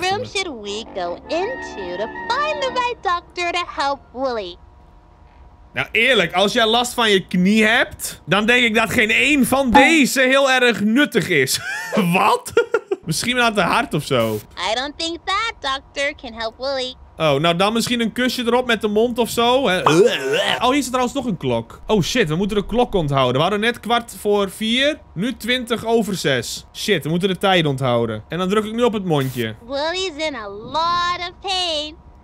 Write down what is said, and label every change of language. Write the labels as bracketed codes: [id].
[en] Which room should we go into to find the right doctor to help Woolly? [nl] Nou eerlijk, als jij last van je knie hebt, dan denk ik dat geen één van deze heel erg nuttig is. Wat? Misschien aan de hart of zo. [en] I don't think that doctor can help Woolly. [nl] Oh, nou dan misschien een kusje erop met de mond of zo. Oh, hier zit trouwens nog een klok. Oh shit, we moeten de klok onthouden. We hadden net 4:15. Nu 6:20. Shit, we moeten de tijd onthouden. En dan druk ik nu op het mondje. [en] Willy's in a lot of pain.